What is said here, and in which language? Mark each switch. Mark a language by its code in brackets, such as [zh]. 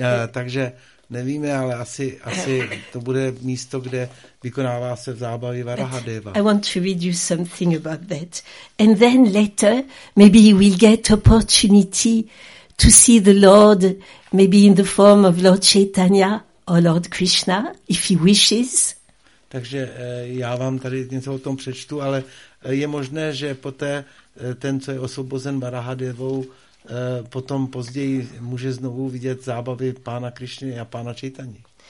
[cs] Takže nevíme, ale asi to bude místo, kde vykonává se v zábavě Varahadeva. [en] I want to read you something about that. And then later, maybe he will get opportunity to see the Lord, maybe in the form of Lord Chaitanya or Lord Krishna, if he wishes. [cs] Takže já vám tady něco o tom přečtu, ale je možné, že poté ten, co je osvobozen Varahadevou, potom později může znovu vidět zábavy pána Krišny a pána Čejtani.